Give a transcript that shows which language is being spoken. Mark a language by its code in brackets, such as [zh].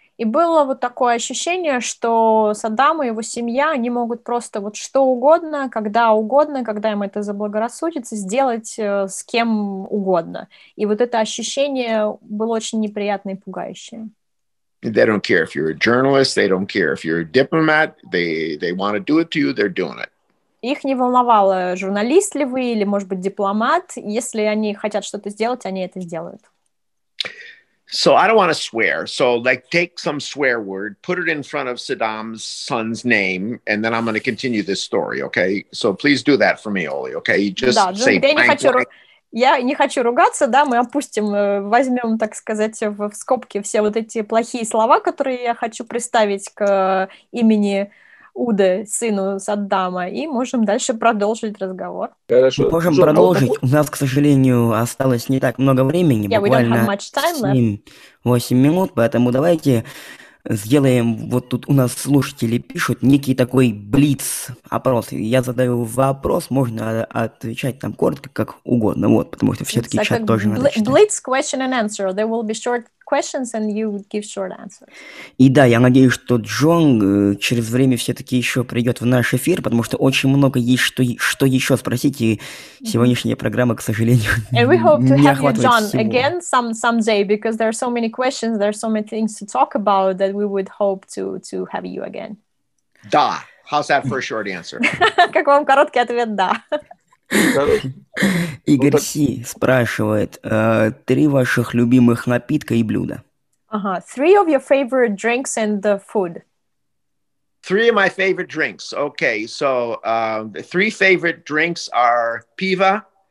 [ru] И было вот такое ощущение, что Саддам и его семья, они могут просто вот что угодно, когда им это заблагорассудится, сделать с кем угодно. И вот это ощущение было очень неприятное и пугающее. [en] They don't care if you're a journalist, they don't care if you're a diplomat, they want to do it to you, they're doing it. [ru] Их не волновало, журналист ли вы или, может быть, дипломат. Если они хотят что-то сделать, они это сделают. [en] So I don't want to swear. So like take some swear word, put it in front of Saddam's son's name, and then I'm going to continue this story, okay? So please do that for me, Oli, okay? [ru] Just да, say я, не хочу, я не хочу ругаться, да, мы опустим, возьмем, так сказать, в скобки все вот эти плохие слова, которые я хочу приставить к имени Уды, сыну Саддама, и можем дальше продолжить разговор. Хорошо. Мы можем продолжить. У нас, к сожалению, осталось не так много времени, буквально 7-8 минут, поэтому давайте сделаем, вот тут у нас слушатели пишут, некий такой блиц-опрос. Я задаю вопрос, можно отвечать там коротко, как угодно, вот, потому что все-таки [en] like [ru] чат тоже надо читать. [en] Blitz question and answer, there will be short questions and you would give short answers. [ru] И да, я надеюсь, что Джон через время все-таки еще придет в наш эфир, потому что очень много есть что еще спросить, и сегодняшняя программа, к сожалению, не охватывает всего. [en] And we hope to have you, John, again someday, because there are so many questions, there are so many things to talk about that we would hope to have you again. Да. How's that for a short answer? [ru] Как вам короткий ответ? Да. Игорь Си спрашивает, три ваших любимых напитка и блюда. [en] Ага, three of your favorite drinks and the food. Three of my favorite drinks. Okay, so the three favorite drinks are pivo.